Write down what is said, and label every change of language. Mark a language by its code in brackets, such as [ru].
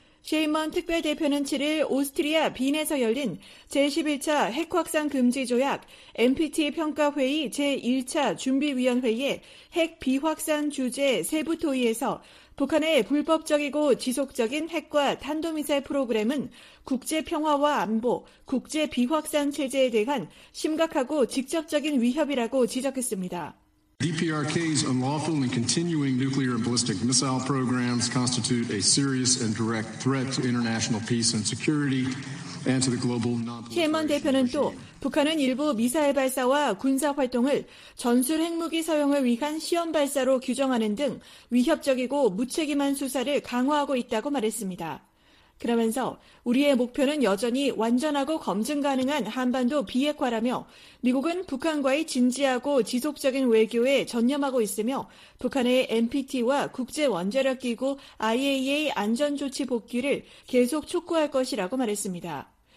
[ko] 쉐인먼 특별대표는 7일 오스트리아 빈에서 열린 제11차 핵확산 금지조약 NPT 평가회의 제1차 준비위원회의 핵 비확산 주제 세부 토의에서 북한의 불법적이고 지속적인 핵과 탄도미사일 프로그램은 국제평화와 안보, 국제비확산 체제에 대한 심각하고 직접적인 위협이라고 지적했습니다. [en] DPRK's unlawful and continuing nuclear and ballistic missile programs constitute a serious and direct threat to international peace and security and to the global non-proliferation. [ko] 셰먼 대표는 또 북한은 일부 미사일 발사와 군사 활동을 전술 핵무기 사용을 위한 시험 발사로 규정하는 등 위협적이고 무책임한 수사를 강화하고 있다고 말했습니다. 그러면서 우리의 목표는 여전히 완전하고 검증 가능한 한반도 비핵화라며 미국은 북한과의 진지하고 지속적인 외교에 전념하고 있으며 북한의 NPT와 국제원자력기구 IAEA 안전조치 복귀를 계속 촉구할 것이라고 말했습니다.